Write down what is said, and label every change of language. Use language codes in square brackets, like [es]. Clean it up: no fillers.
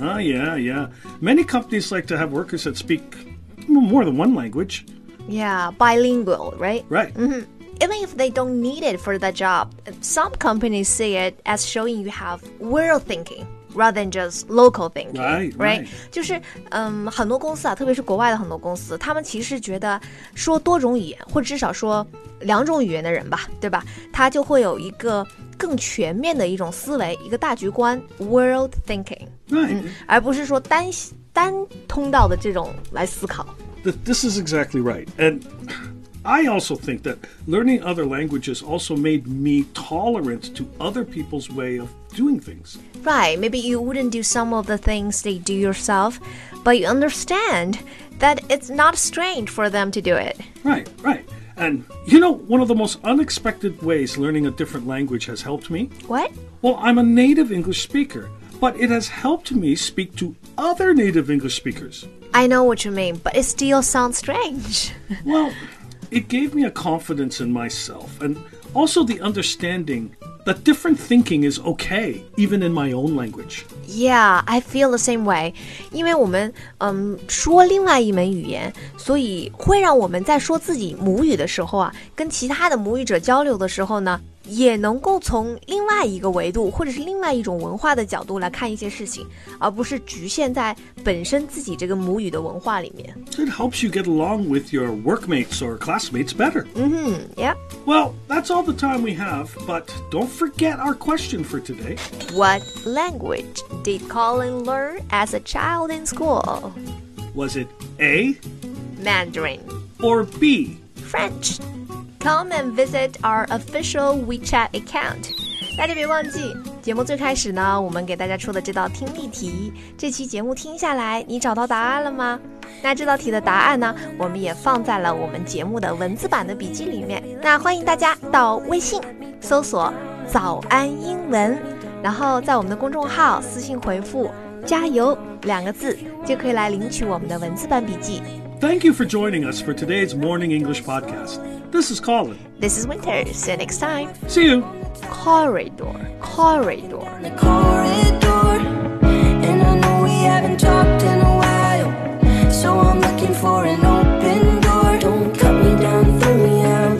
[en] Yeah. Many companies like to have workers that speak more than one language. Yeah, bilingual, right? Right. Even if they don't need it for the job, some companies see it as showing you have world thinking rather than just local thinking. Right. [zh] 就是、很多公司啊，特别是国外的很多公司，他们其实觉得说多种语言，或至少说两种语言的人吧，对吧？他就会有一个更全面的一种思维，一个大局观 [en] world thinking、 [zh] 而不是说 单通道的这种来思考。 [en] This is exactly right. And I also think that learning other languages also made me tolerant to other people's way of doing things. Right, maybe you wouldn't do some of the things they do yourself, but you understand that it's not strange for them to do it. Right. And, you know, one of the most unexpected ways learning a different language has helped me. What? Well, I'm a native English speaker, but it has helped me speak to other native English speakers. I know what you mean, but it still sounds strange. Well, it gave me a confidence in myself and also the understanding that different thinking is okay, even in my own language. Yeah, I feel the same way. [zh] 因为我们、说另外一门语言，所以会让我们在说自己母语的时候啊，跟其他的母语者交流的时候呢，也能够从另外一个维度或者是另外一种文化的角度来看一些事情，而不是局限在本身自己这个母语的文化里面。 [en] It helps you get along with your workmates or classmates better. Well, that's all the time we have, but don't forget our question for today. What language did Colin learn as a child in school? Was it A? Mandarin. Or B? French. Come and visit our official WeChat account. [zh] 大家别忘记，节目最开始呢，我们给大家出的这道听力题，这期节目听下来，你找到答案了吗？那这道题的答案呢，我们也放在了我们节目的文字版的笔记里面。那欢迎大家到微信搜索“早安英文”，然后在我们的公众号私信回复“加油”两个字，就可以来领取我们的文字版笔记。 [en] Thank you for joining us for today's Morning English Podcast. This is Colin. This is Winter. See you next time. See you. Corridor. Corridor. The corridor. And I know we haven't talked in a while. So I'm looking for an open door. Don't cut me down, throw me out.